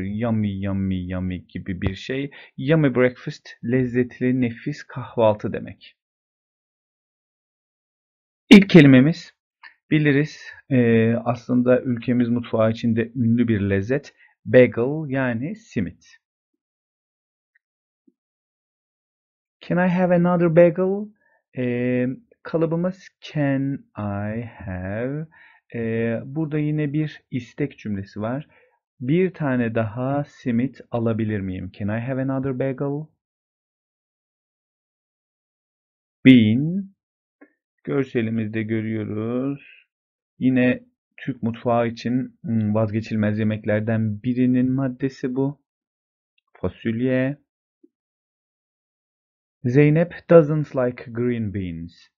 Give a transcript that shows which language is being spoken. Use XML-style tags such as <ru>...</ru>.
<tr>Yummy, yummy, yummy gibi bir şey. Yummy Breakfast lezzetli, nefis kahvaltı demek. İlk kelimemiz. Biliriz, aslında ülkemiz mutfağı içinde ünlü bir lezzet, bagel yani simit.</tr> <en>Can I have another bagel?</en> <tr>Kalıbımız</tr> <en>can I have.</en> <tr>Burada yine bir istek cümlesi var. Bir tane daha simit alabilir miyim?</tr> <en>Can I have another bagel? Bean.</en> <tr>Görselimizde görüyoruz. Yine Türk mutfağı için vazgeçilmez yemeklerden birinin maddesi bu. Fasulye.</tr> <en>Zeynep doesn't like green beans.</en>